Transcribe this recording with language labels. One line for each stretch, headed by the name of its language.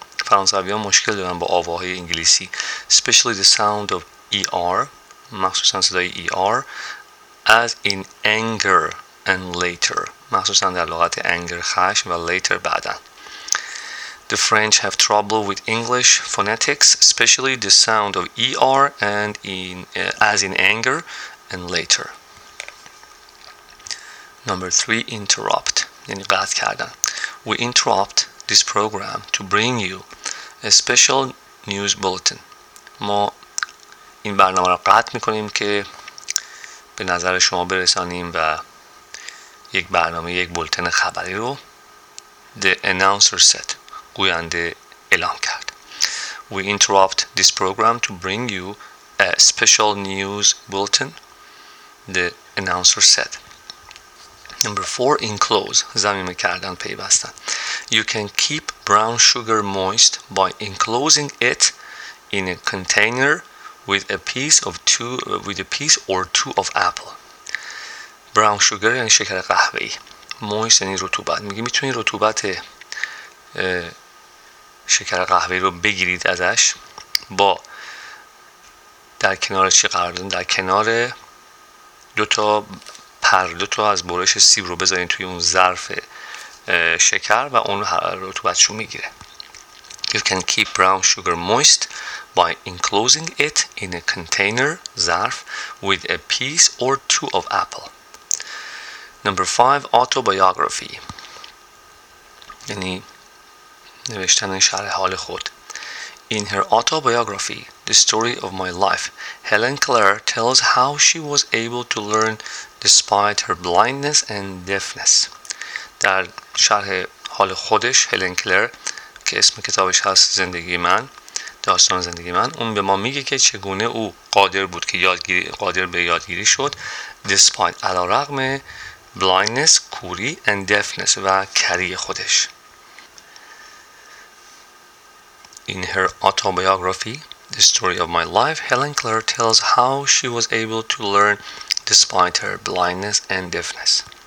Persian: فرانسویان مشکل دارن با آواهای انگلیسی.
English: Especially the sound of ER.
Persian: مخصوصا صدای ER.
English: As in anger and later.
Persian: مخصوصا در لغت anger خشم و later بعدا.
English: The French have trouble with English phonetics. Especially the sound of ER and in as in anger and later. Number three, interrupt.
Persian: یعنی قطع کردن.
English: We interrupt this program to bring you a special news bulletin.
Persian: ما این برنامه را قطع میکنیم که به نظر شما برسانیم و یک برنامه، یک بولتن خبری رو.
English: The announcer said.
Persian: گوینده اعلام کرد.
English: We interrupt this program to bring you a special news bulletin. The announcer said. Number four, enclose.
Persian: ضمیمه کردن، پیوستن.
English: You can keep brown sugar moist by enclosing it in a container with a piece of two of apple.
Persian: Brown sugar یعنی شکر قهوه‌ای. Moist یعنی رطوبت. میگه میتونی رطوبت شکر قهوه‌ای رو بگیرید ازش با در کنار چی قرار دادن؟ در کنار دو تا از برش سیب رو بذارین توی اون ظرف شکر و اون رطوبتشو میگیره.
English: You can keep brown sugar moist by enclosing it in a container, ظرف, with a piece or two of apple. Number five, autobiography.
Persian: یعنی نوشتن شرح حال خود.
English: In her autobiography, The Story of My Life, Helen Keller tells how she was able to learn despite her blindness and deafness.
Persian: در شرح حال خودش، هلن کلر، که اسم کتابش هست زندگی من، داستان زندگی من، اون به ما میگه که چگونه او قادر بود که قادر به یادگیری شد despite علارغم blindness، کوری، and deafness و کری خودش.
English: In her autobiography, The Story of My Life, Helen Keller tells how she was able to learn despite her blindness and deafness.